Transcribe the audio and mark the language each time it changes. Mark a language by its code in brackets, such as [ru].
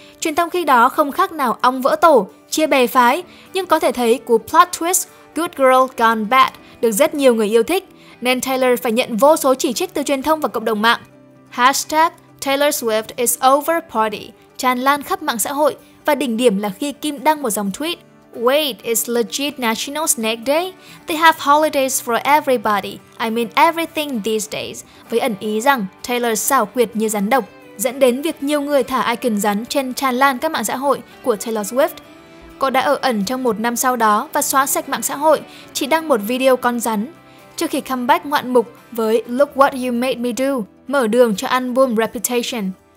[vi] Truyền thông khi đó không khác nào ong vỡ tổ, chia bè phái, nhưng có thể thấy cú plot twist Good Girl Gone Bad được rất nhiều người yêu thích, nên Taylor phải nhận vô số chỉ trích từ truyền thông và cộng đồng mạng. Hashtag Taylor Swift is over party tràn lan khắp mạng xã hội và đỉnh điểm là khi Kim đăng một dòng tweet [en] Wait, it's legit National Snake Day? They have holidays for everybody. I mean everything these days. [vi] Với ẩn ý rằng Taylor xảo quyệt như rắn độc, dẫn đến việc nhiều người thả icon rắn trên tràn lan các mạng xã hội của Taylor Swift. Cô đã ở ẩn trong một năm sau đó và xóa sạch mạng xã hội, chỉ đăng một video con rắn. Trước khi comeback ngoạn mục với Look What You Made Me Do, mở đường cho album Reputation.